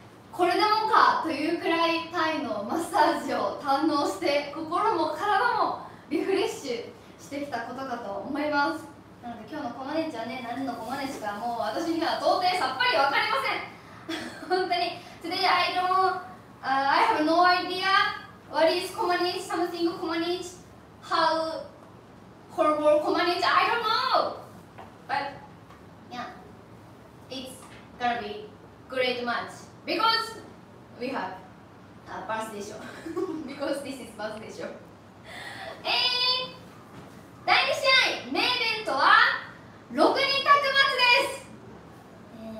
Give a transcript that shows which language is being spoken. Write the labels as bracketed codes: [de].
[ja] これでもかというくらいタイのマッサージを堪能して、心も体もリフレッシュしてきたことかと思います。なので今日のコマネチはね、何のコマネチかもう私には到底さっぱりわかりません。本当に [en] today I have no idea what is Komanich, something Komanich, how horrible Komanich, I don't know, but yeah, it's gonna be great match because we have a birthday show. Because this is birthday show. [ja] And 第2試合メインイベントは6人タッグマッチです。